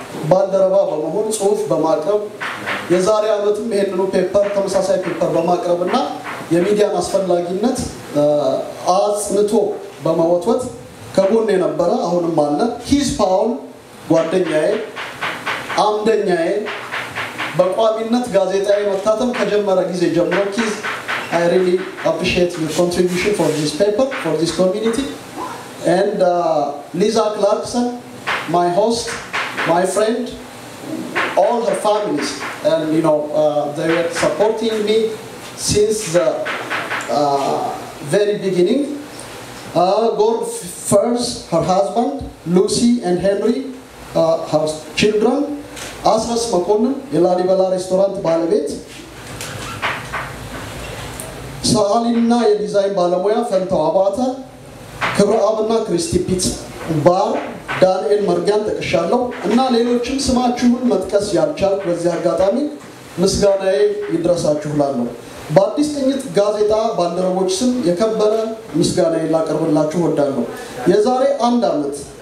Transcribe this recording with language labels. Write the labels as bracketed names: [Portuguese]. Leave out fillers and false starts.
[Amharic] ባልደረባ በመሆን ጽሑፍ በማቅረብ የዛሬ ዓመትም ይህንኑ ፔፐር ተመሳሳይ ፔፐር በማቅረብ እና የሚዲያን አስፈላጊነት አጽንቶ በመወትወት ከጎን የነበረ አሁንም አለ። ሂስ ፓውል ጓደኛዬ አምደኛዬ በቋሚነት ጋዜጣዬ መታተም ከጀመረ ጊዜ ጀምሮ ሂስ [English] I really appreciate your contribution for this paper, for this community. And Lisa Clarkson, my host, my friend, all her families, and you know, they were supporting me since the very beginning. Gord Furs, her husband, Lucy and Henry, her children, Asras Makonnen, Ilari Bala Restaurant, Balabit, [Amharic] ሰዓሊና የዲዛይን ባለሙያ ፈንታው አባተ ክብረአብና ክሪስቲ ፒት ባር ዳንኤል መርጋን ተቀሻለሁ እና ሌሎችን ስማችሁን መጥቀስ ያልቻልኩ በዚህ አጋጣሚ ምስጋናዬ ይድረሳችሁላለሁ። በአዲስ ጥንት ጋዜጣ ባንደረቦች ስም የከበረ ምስጋናዬን ላቀርብላችሁ ወዳለሁ። የዛሬ አንድ አመት